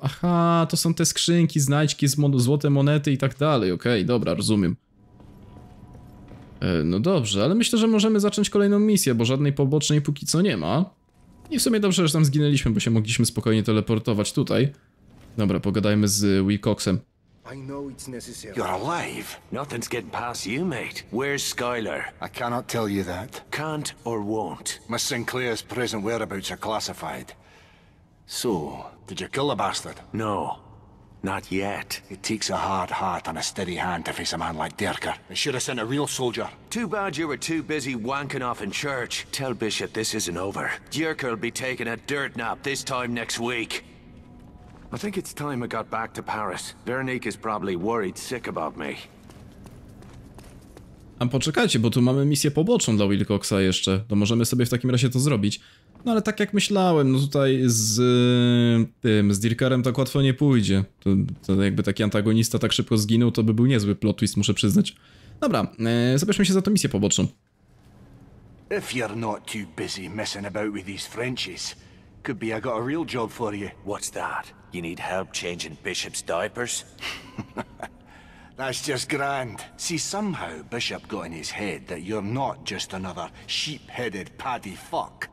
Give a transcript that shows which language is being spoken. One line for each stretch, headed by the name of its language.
Polish: Aha, to są te skrzynki, znajdźki, złote monety i tak dalej. Okej, dobra, rozumiem. No dobrze, ale myślę, że możemy zacząć kolejną misję, bo żadnej pobocznej póki co nie ma. I w sumie dobrze, że tam zginęliśmy, bo się mogliśmy spokojnie teleportować tutaj. Dobra, pogadajmy z Wilcoxem.
English: I know it's necessary. You're alive. Nothing's getting past you, mate. Where's Skyler? I cannot tell you that. Can't or won't. Miss Sinclair's present whereabouts are classified. So, did you kill the bastard? No. Not yet. It takes a hard heart and a steady hand to face a man like Derker. I should have sent a real soldier. Too bad you were too busy wanking off in church. Tell Bishop this isn't over. Derker will be taking a dirt nap this time next week. I think it's time I got back to Paris. Veronique is probably worried sick about me.
Polish: A poczekajcie, bo tu mamy misję poboczną dla Wilcoxa jeszcze. To możemy sobie w takim razie to zrobić. No ale tak jak myślałem, no tutaj z tym, z Dirkerem tak łatwo nie pójdzie. To jakby taki antagonista tak szybko zginął, to by był niezły plot twist, muszę przyznać. Dobra, zabierzmy się za tą misję poboczną.
English: If you're not too busy messing about with these Frenchies, could be I got a real job for you. What's that? You need help changing Bishop's diapers? That's just grand. See, somehow Bishop got in his head that you're not just another sheep-headed paddy fuck.